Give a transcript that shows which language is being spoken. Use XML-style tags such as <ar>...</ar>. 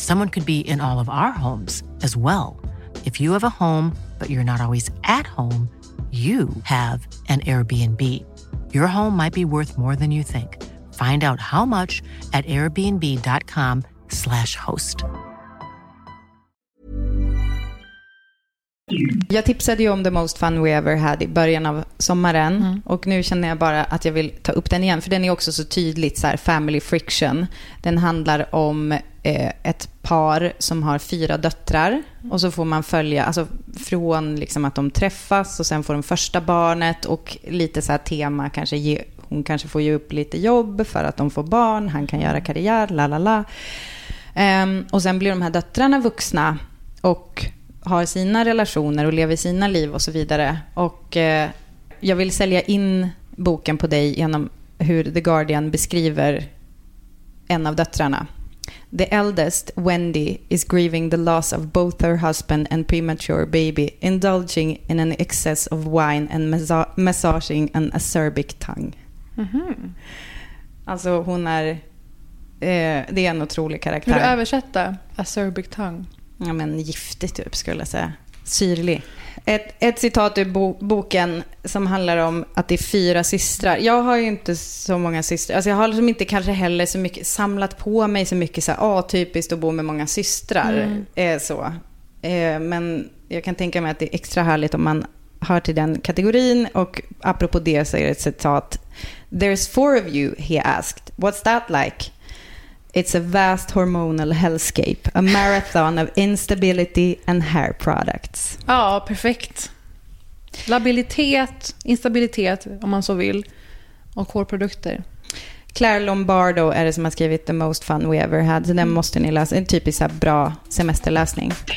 <en>Someone could be in all of our homes as well. If you have a home, but you're not always at home, you have an Airbnb. Your home might be worth more than you think. Find out how much at airbnb.com/host.</en> <sv>Jag tipsade ju om The Most Fun We Ever Had i början av sommaren. Mm. Och nu känner jag bara att jag vill ta upp den igen. För den är också så tydligt så här,</sv> <en>family friction.</en> <sv>Den handlar om ett par som har 4 döttrar. Och så får man följa, alltså, från liksom att de träffas och sen får de första barnet. Och lite så här tema, kanske hon kanske får ge upp lite jobb för att de får barn. Han kan göra karriär, lalala. Och sen blir de här döttrarna vuxna och har sina relationer och lever sina liv och så vidare. Och jag vill sälja in boken på dig genom hur The Guardian beskriver en av döttrarna.</sv> <en>The eldest, Wendy, is grieving the loss of both her husband and premature baby, indulging in an excess of wine and massaging an acerbic tongue. Mm-hmm.</en> <sv>Alltså hon är, det är en otrolig karaktär. Hur du översätta</sv> <en>acerbic tongue?</en> <sv>Ja, men giftig typ skulle jag säga. Syrlig. Ett citat ur boken som handlar om att det är 4 systrar. Jag har ju inte så många systrar. Alltså jag har liksom inte kanske heller så mycket samlat på mig så mycket så här atypiskt att bo med många systrar. Mm. Men jag kan tänka mig att det är extra härligt om man hör till den kategorin. Och apropå det så är det ett citat.</sv> <en>There's 4 of you, he asked. What's that like? It's a vast hormonal hellscape, a marathon of instability and hair products.</en> <sv>Ja, perfekt. Labilitet, instabilitet om man så vill, och hårprodukter. Claire Lombardo är det som har skrivit The Most Fun We Ever Had. Så den måste ni läsa. En typisk bra semesterläsning.</sv>